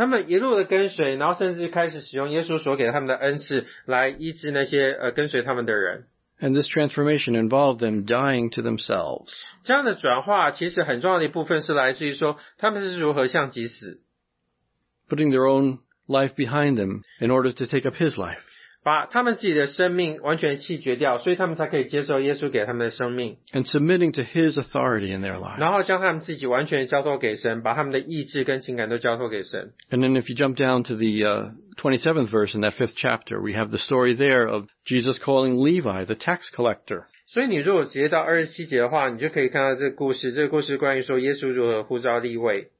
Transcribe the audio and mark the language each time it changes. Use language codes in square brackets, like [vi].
[zh] 他们一路的跟随，然后甚至开始使用耶稣所给他们的恩赐来医治那些跟随他们的人。 [en] And this transformation involved them dying to themselves. [zh] 这样的转化其实很重要的一部分是来自于说他们是如何向己死。 [en] Putting their own life behind them in order to take up his life. [zh] 把他们自己的生命完全弃绝掉，所以他们才可以接受耶稣给他们的生命。 [en] And submitting to his authority in their life. [zh] 然后将他们自己完全交托给神，把他们的意志跟情感都交托给神。 [en] And then if you jump down to the 27th verse in that 5th chapter, we have the story there of Jesus calling Levi, the tax collector. [zh] 所以你如果直接到27节的话，你就可以看到这个故事，这个故事关于说耶稣如何呼召利未。